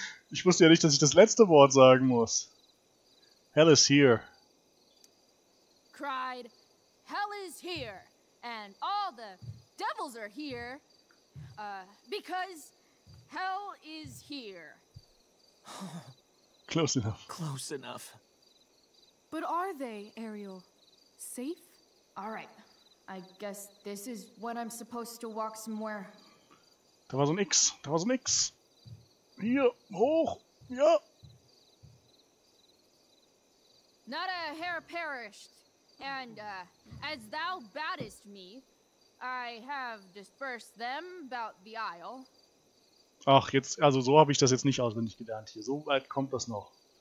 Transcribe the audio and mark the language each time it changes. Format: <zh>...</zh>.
<de>Ich wusste ja nicht, dass ich das letzte Wort sagen muss.</de> <en>Hell is here. Cried, hell is here, and all the devils are here, because hell is here. Close enough. But are they, Ariel, safe? All right, I guess this is when I'm supposed to walk somewhere.</en> <de>Da war so ein X. Hier, hoch, ja.</de> <en>Not a hair perished, and as thou battest me, I have dispersed them about the isle.</en> <de>Ach, jetzt, also so habe ich das jetzt nicht auswendig gelernt hier. So weit kommt das noch.</de>